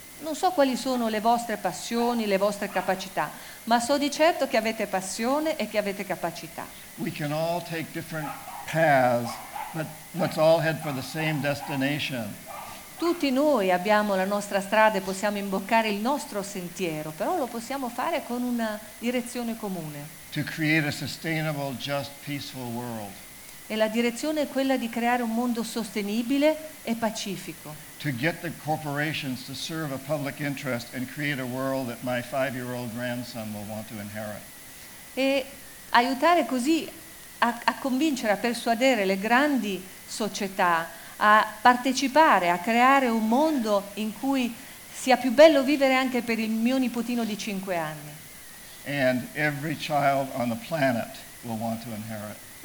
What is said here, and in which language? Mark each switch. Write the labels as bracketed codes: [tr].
[it] Non so quali sono le vostre passioni, le vostre capacità, ma so di certo che avete passione e che avete capacità. [en] We can all take different paths, but let's all head for the same destination. [it] Tutti noi abbiamo la nostra strada e possiamo imboccare il nostro sentiero, però lo possiamo fare con una direzione comune. [en] To create a sustainable, just, peaceful world. [it] E la direzione è quella di creare un mondo sostenibile e pacifico. [en] To get the corporations to serve a public interest and create a world that my five-year-old grandson will want to inherit. [it] E aiutare così a convincere, a persuadere le grandi società a partecipare, a creare un mondo in cui sia più bello vivere anche per il mio nipotino di 5 anni. [en] And every child on the planet will want to inherit.